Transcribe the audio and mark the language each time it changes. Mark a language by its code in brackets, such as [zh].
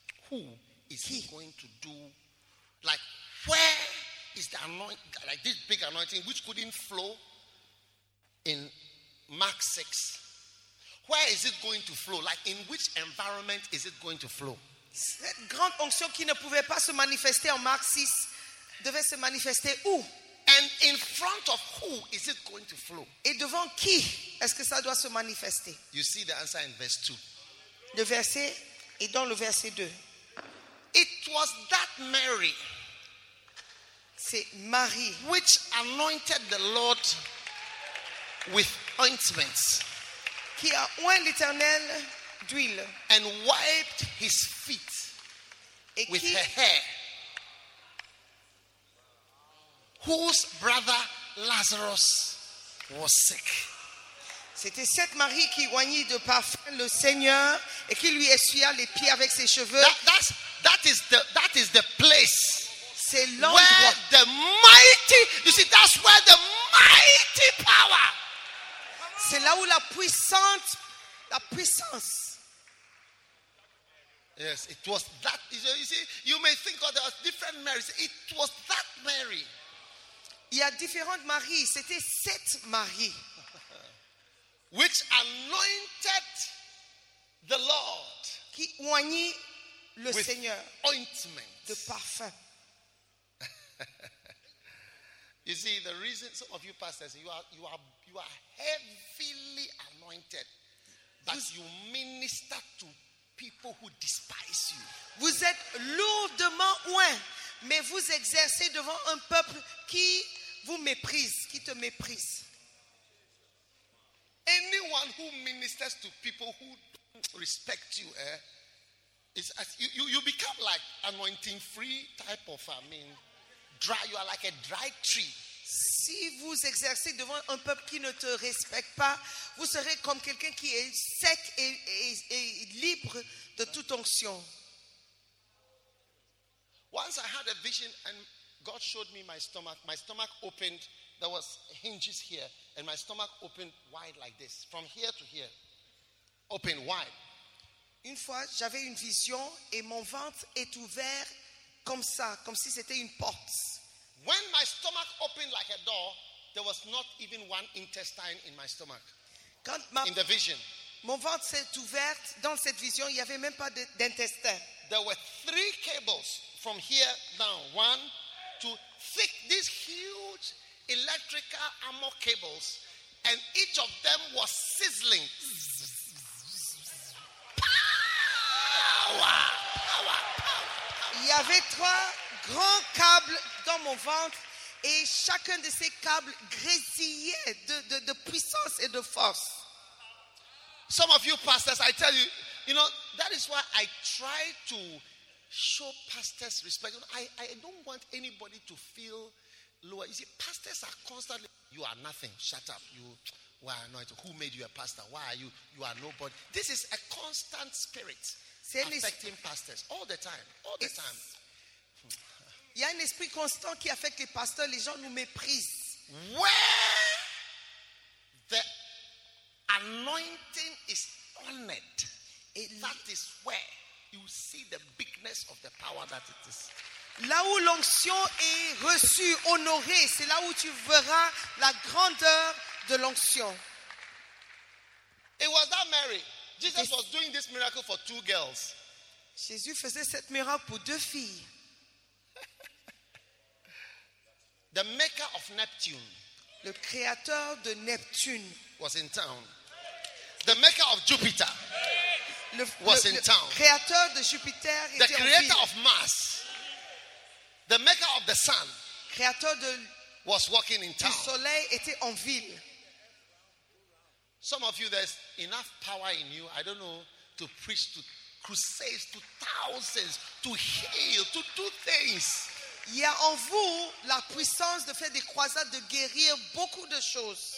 [en] Who is [fr] qui? [en] He going to do, like, where is the anointing, like this big anointing which couldn't flow in Mark 6? Where is it going to flow? Like, in which environment is it going to flow? [fr] Cette grande onction qui ne pouvait pas se manifester en Mark 6 devait se manifester où? [en] And in front of who is it going to flow? [fr] Et devant qui est-ce que ça doit se manifester? [en] You see the answer in verse 2. [fr] Le verset et dans le verset 2. [en] It was that Mary. [fr] C'est Marie. [en] Which anointed the Lord with ointments. [fr] Qui a oint l'Éternel d'huile. [en] And wiped his feet [fr] et [en] with her hair. Whose brother Lazarus was sick. [fr] C'était cette Marie qui oignit de parfum le Seigneur et qui lui essuya les pieds avec ses cheveux. [en] That is the place. [fr] C'est l'endroit [en] where the mighty, you see, that's where the mighty power. [fr] C'est là où la puissance. [en] Yes, it was that. You see, you may think of there are different Marys. It was that Mary. [fr] Il y a différentes Maries. C'était cette Marie. [en] Which anointed the Lord. [fr] Qui oignit le Seigneur. [en] Ointment. [fr] De parfum. [en] You see, the reason some of you pastors, you are heavily anointed. But you minister to people who despise you. [fr] Vous êtes lourdement oint. Mais vous exercez devant un peuple qui vous méprise, qui te méprise. [en] Anyone who ministers to people who don't respect you, is as you become like anointing free type of, I mean, dry. You are like a dry tree. [fr] Si vous exercez devant un peuple qui ne te respecte pas, vous serez comme quelqu'un qui est sec et libre de toute onction. [en] One once I had a vision and God showed me my stomach. My stomach opened. There was hinges here. And my stomach opened wide like this. From here to here. Open wide. [fr] Une fois, j'avais une vision et mon ventre est ouvert comme ça, comme si c'était une porte. [en] When my stomach opened like a door, there was not even one intestine in my stomach. [fr] Quand ma, [en] in the vision. [fr] Mon ventre s'est ouvert, dans cette vision, il n'y avait même pas de, d'intestin. [en] There were three cables from here down. One, two, thick, these huge electrical armor cables. And each of them was sizzling. [fr] Il y avait trois grands câbles dans mon ventre et chacun de ces câbles grésillait de puissance et de force. [en] Some of you pastors, I tell you, you know, that is why I try to show pastors respect. I don't want anybody to feel lower. You see, pastors are constantly, you are nothing, shut up, you were anointed. Who made you a pastor? Why are you? You are nobody. This is a constant spirit. Affecting pastors all the time, all the time. [fr] Il y a un esprit constant qui affecte les pasteurs. Les gens nous méprisent. [en] Where the anointing is honored, that is where you see the bigness of the power that it is. [fr] Là où l'onction est reçue, honorée, c'est là où tu verras la grandeur de l'onction. [en] It was that Mary. Jesus was doing this miracle for two girls. [fr] Jésus faisait cette miracle pour deux filles. [en] The maker of Neptune. [fr] Le créateur de Neptune [en] was in town. The maker of Jupiter was in town. [fr] Le créateur de Jupiter était en ville. [en] The creator of Mars. The maker of the sun. [fr] Créateur de [en] was walking in town. [fr] Le soleil était en ville. [en] Some of you, there's enough power in you, I don't know, to preach to crusades, to thousands, to heal, to do things. [fr] Il y a en vous la puissance de faire des croisades, de guérir beaucoup de choses.